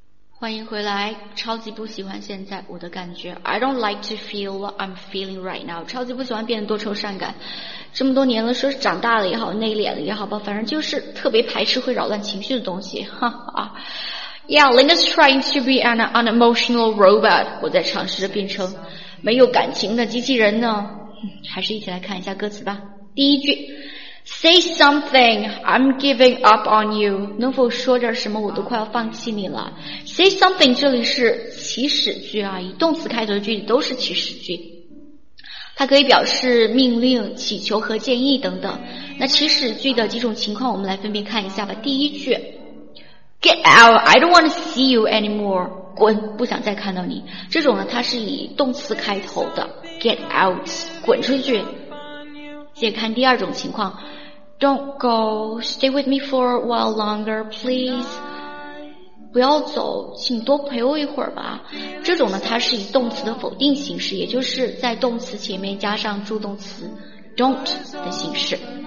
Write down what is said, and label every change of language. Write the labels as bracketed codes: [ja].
[zh] 欢迎回来，超级不喜欢现在我的感觉。 [en] I don't like to feel what I'm feeling right now. [zh] 超级不喜欢变得多愁善感，这么多年了，说是长大了也好，内敛了也好吧，反正就是特别排斥会扰乱情绪的东西，哈哈。 [en] Yeah, Linda's trying to be an unemotional robot. [zh] 我在尝试着变成没有感情的机器人呢。还是一起来看一下歌词吧。第一句 [en] Say something, I'm giving up on you. [zh] 能否说点什么，我都快要放弃你了。 [en] Say something [zh] 这里是祈使句啊，以动词开头的句子都是祈使句，它可以表示命令、祈求和建议等等。那祈使句的几种情况我们来分别看一下吧。第一句 [en] Get out, I don't want to see you anymore. [zh] 滚，不想再看到你。这种呢，它是以动词开头的。 [en] Get out, [zh] 滚出去。接着看第二种情况。 [en] Don't go, stay with me for a while longer, please. [zh] 不要走，请多陪我一会儿吧。这种呢，它是以动词的否定形式，也就是在动词前面加上助动词 don't 的形式。